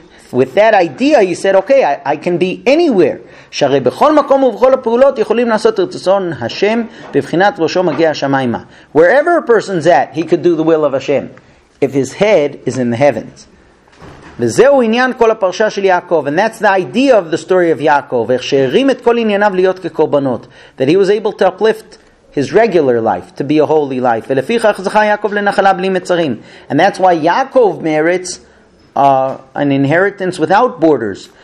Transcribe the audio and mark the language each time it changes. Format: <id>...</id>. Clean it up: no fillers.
<en>With that idea, he said, okay, I can be anywhere.</en> <he>שרי בכל מקום ובכל הפעולות יכולים לעשות רצון השם בבחינת ראשו מגיע השמיימה.</he> <en>Wherever a person's at, he could do the will of Hashem. If his head is in the heavens.</en> <he>וזהו עניין כל הפרשה של יעקב.</he> <en>And that's the idea of the story of Yaakov.</en> <he>איך שהרים את כל ענייניו להיות כקורבנות.</he> <en>That he was able to uplift his regular life, to be a holy life.</en> <he>ולפיכך זכה יעקב לנחלה בלי מצרים.</he> <en>And that's why Yaakov merits an inheritance without borders.</en>